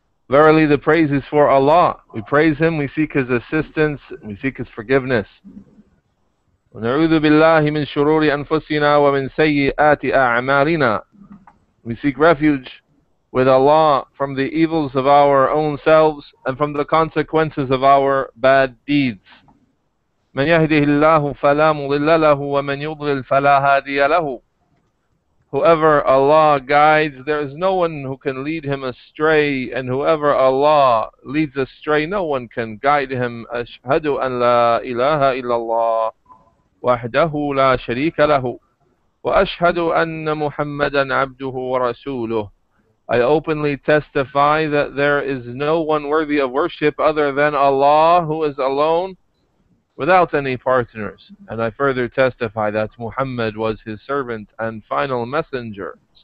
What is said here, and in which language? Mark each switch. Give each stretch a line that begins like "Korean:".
English: Verily the praise is for Allah. We praise Him, we seek His assistance, we seek His forgiveness.
Arabic: ونعوذ بالله من شرور أنفسنا ومن سيئات أعمالنا.
English: We seek refuge with Allah from the evils of our own selves and from the consequences of our bad deeds.
Arabic: من يهده الله فلا مضل له ومن يضلل فلا هادي له.
English: Whoever Allah guides, there is no one who can lead him astray, and whoever Allah leads astray, no one can guide him.
Arabic: أشهد أن لا إله إلا الله وحده لا شريك له وأشهد أن محمدا عبده ورسوله.
English: I openly testify that there is no one worthy of worship other than Allah, who is alone, without any partners. And I further testify that Muhammad was his servant and final messenger.